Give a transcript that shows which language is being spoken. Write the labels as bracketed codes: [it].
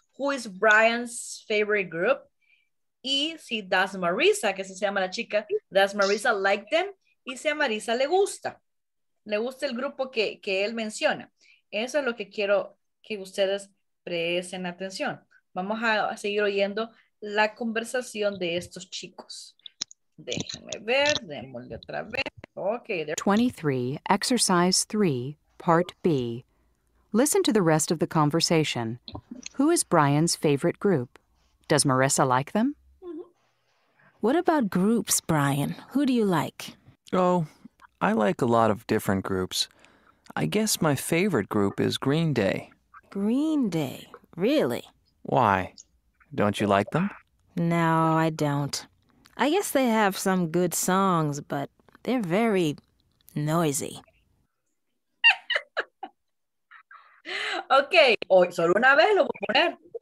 [en] Who is Brian's favorite group? [es] Y si [en] Does Marisa, [es] que se llama la chica, [en] Does Marisa like them? [es] Y si a Marisa le gusta. Le gusta el grupo que él menciona. Eso es lo que quiero que ustedes presten atención. Vamos a seguir oyendo la conversación de estos chicos. Déjenme ver, démosle otra vez. Okay, [en] 23, exercise 3, part B. Listen to the rest of the conversation. Who is Brian's favorite group? Does Marissa like them? Mm-hmm. What about groups, Brian? Who do you like? Oh, I like a lot of different groups. I guess my favorite group is Green Day. Green Day? Really? Why? Don't you like them? No, I don't. I guess they have some good songs, but they're very noisy. [es] Okay, hoy solo una vez lo voy a poner.